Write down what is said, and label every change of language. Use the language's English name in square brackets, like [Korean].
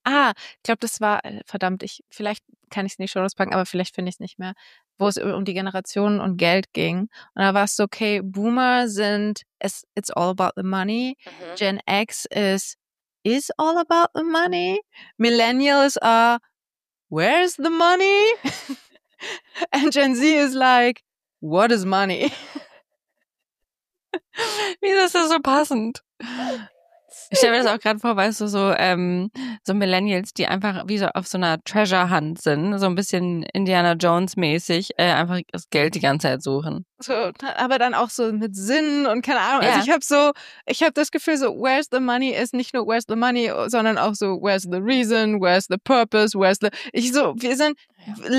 [German] Ah, ich glaube, das war, verdammt, vielleicht kann ich es nicht schon auspacken, aber vielleicht finde ich es nicht mehr, wo es um die Generationen und Geld ging. Und da war es so, okay, Boomer sind, [English] it's all about the money. Gen X is all about the money. Millennials are, where's the money? And Gen Z is like, what is money? [German] Wie ist das so passend? Ich stelle mir das auch gerade vor, weißt du, so, so Millennials, die einfach wie so auf so einer Treasure Hunt sind, so ein bisschen Indiana Jones mäßig, einfach das Geld die ganze Zeit suchen. So, aber dann auch so mit Sinn und keine Ahnung. Ja. Also ich habe das Gefühl, so [English] where's the money [German] ist nicht nur [English] where's the money, sondern auch so where's the [German] reason, where's the purpose, where's the, ich so, wir sind ja.